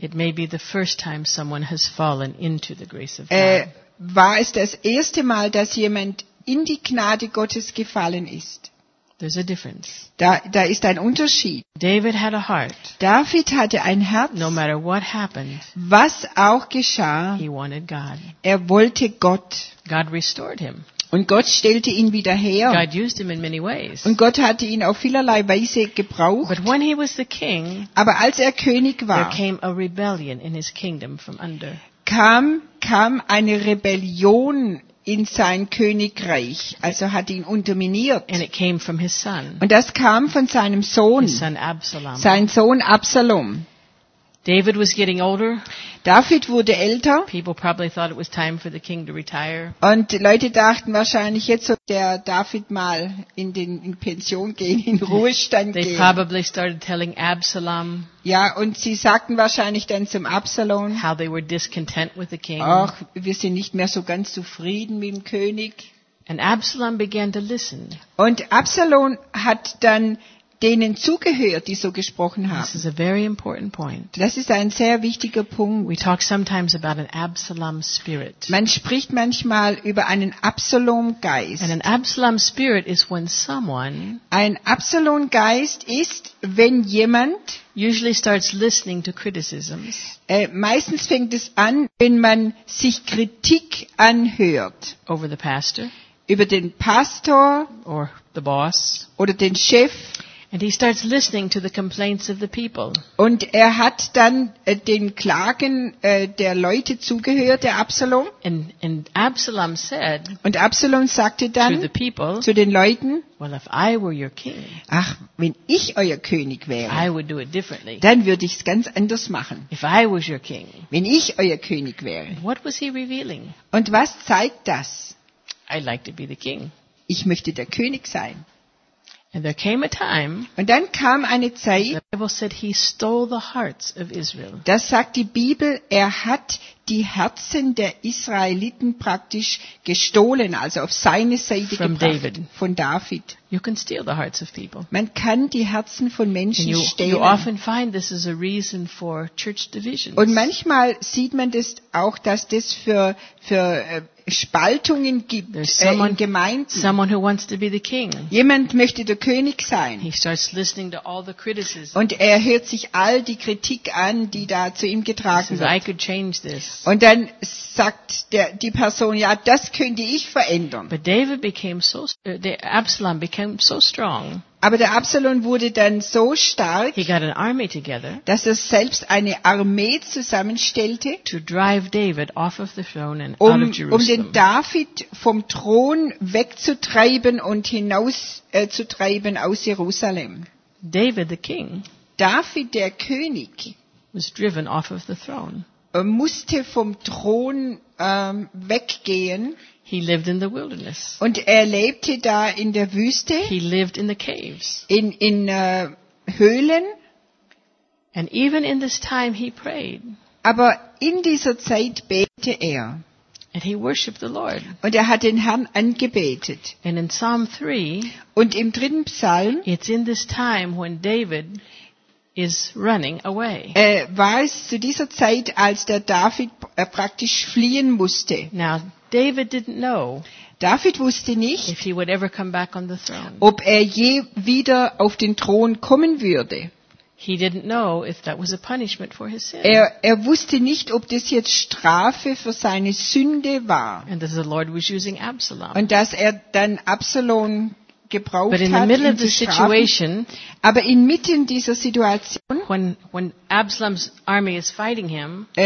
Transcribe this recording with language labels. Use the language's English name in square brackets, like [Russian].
[English] it may be the first time someone has fallen into the grace of God. [German] War es das erste Mal, dass jemand in die Gnade Gottes gefallen ist. [English] There's a difference. [German] Da ist ein Unterschied. [English] David had a heart. [German] David hatte ein Herz. [English] No matter what happened, [German] was auch geschah, [English] he wanted God. [German] Er wollte Gott. [English] God restored him. [German] Und Gott stellte ihn wieder her. [English] God used him in many ways. [German] Und Gott hatte ihn auf vielerlei Weise gebraucht. [English] But when he was the king, [German] aber als er König war, [English] there came a rebellion in his kingdom from under. [German] Kam eine Rebellion in sein Königreich, also hat ihn unterminiert. [English] And it came from his son. [German] Und das kam von seinem Sohn, [English] his son Absalom. [German] Sein Sohn Absalom. [English] David was getting older. [German] David wurde älter. [English] People probably thought it was time for the king to retire. [German] Und Leute dachten wahrscheinlich, jetzt soll der David mal in Pension gehen, in Ruhestand [English] They [German] gehen. [English] They probably started telling Absalom. [German] Ja, und sie sagten wahrscheinlich dann zum Absalom, [English] how they were discontent with the king. [German] Ach, wir sind nicht mehr so ganz zufrieden mit dem König. [English] And Absalom began to listen. [German] Und Absalom hat dann denen zugehört, die so gesprochen haben. [English] This is a very important point. [German] Das ist ein sehr wichtiger Punkt. [English] We talk sometimes about an Absalom spirit. [German] Man spricht manchmal über einen Absalom-Geist. [English] And an Absalom spirit is when someone, [German] ein Absalom-Geist ist, wenn jemand, [English] usually starts listening to criticisms. [German] Meistens fängt es an, wenn man sich Kritik anhört. [English] Over the pastor, [German] über den Pastor, [English] or the boss, [German] oder den Chef. [English] And he starts listening to the complaints of the people. [German] Und er hat dann den Klagen der Leute zugehört, der Absalom. [English] And Absalom said, [German] und Absalom sagte dann [English] to the people, [German] zu den Leuten, [English] well, if I were your king, [German] ach, wenn ich euer König wäre, [English] I would do it differently. [German] Dann würde ich es ganz anders machen. [English] If I was your king, [German] wenn ich euer König wäre. [English] What was he revealing? [German] Und was zeigt das? [English] I'd like to be the king. [German] Ich möchte der König sein. [English] And there came a time, [German] und dann kam eine Zeit, [English] the Bible said he stole the hearts of Israel. [German] Das sagt die Bibel, er hat die Herzen der Israeliten praktisch gestohlen, also auf seine Seite [English] from [German] gebracht, [English] David. [German] Von David. [English] You can steal the hearts of people. [German] Man kann die Herzen von Menschen stehlen. [English] You often find this is a reason for church divisions. [German] Und manchmal sieht man das auch, dass das für Spaltungen gibt in Gemeinden. [English] Someone who wants to be the king. [German] Jemand möchte der König sein. [English] He starts listening to all the criticism. [German] Und er hört sich all die Kritik an, die da zu ihm getragen [English] says, [German] wird. [English] I could change this. [German] Und dann sagt die Person, ja, das könnte ich verändern. [English] But David became so, Absalom became so strong. [German] Aber der Absalom wurde dann so stark, [English] he got an army together, [German] dass er selbst eine Armee zusammenstellte, [English] to drive David off of the throne and out of Jerusalem. [German] Um den David vom Thron wegzutreiben und hinauszutreiben aus Jerusalem. [English] David, the king, [German] David der König, [English] was driven off of the throne. [German] Musste vom Thron weggehen. [English] He lived in the wilderness. [German] Und er lebte da in der Wüste. [English] He lived in the caves. [German] In Höhlen. [English] And even in this time he prayed. [German] Aber in dieser Zeit betete er. [English] And he worshiped the Lord. [German] Und er hat den Herrn angebetet. [English] And in Psalm 3, [German] und im dritten Psalm, [English] it's in this time when David is running away. [German] War es zu dieser Zeit, als der David praktisch fliehen musste. [English] Now, David didn't know. [German] David wusste nicht, [English] if he would ever come back on the throne. [German] Ob er je wieder auf den Thron kommen würde. [English] He didn't know if that was a punishment for his sin. [German] Er wusste nicht, ob das jetzt Strafe für seine Sünde war. [English] And that the Lord was using Absalom. [German] Und dass er dann Absalom gebraucht [English] but in the middle of the situation, [German] aber inmitten dieser Situation, [English] when Absalom's army is fighting him,